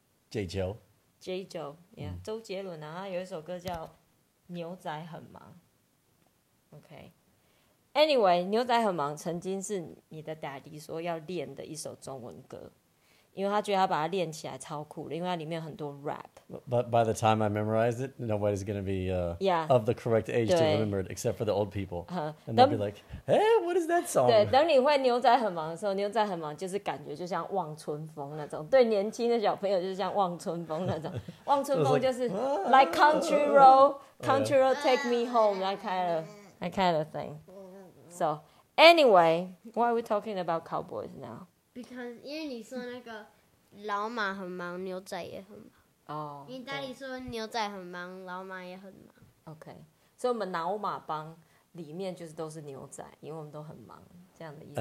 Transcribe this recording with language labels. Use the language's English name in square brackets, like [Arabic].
[Chinese] J J 周杰伦啊，他有一首歌叫《牛仔很忙》。 OK，Anyway，牛仔很忙曾经是你的 Daddy 说要练的一首中文歌。因为他觉得他把它练起来超酷的，因为它里面有很多 rap。 [English] But by the time I memorize it, nobody's gonna be of the correct age to remember it, except for the old people. And they'll be like, "Hey, what is that song?" [Chinese] 对，等你会牛仔很忙的时候，牛仔很忙就是感觉就像望春风那种。对年轻的小朋友，就是像望春风那种。 [English] 望春风就是 like country road, country road take me home. That kind of thing. So anyway, why are we talking about cowboys now? [Chinese] 因为你说那个老马很忙，牛仔也很忙。哦、你家里说牛仔很忙，老马也很忙。 OK， 所以我们老马帮里面就是都是牛仔，因为我们都很忙，这样的意思。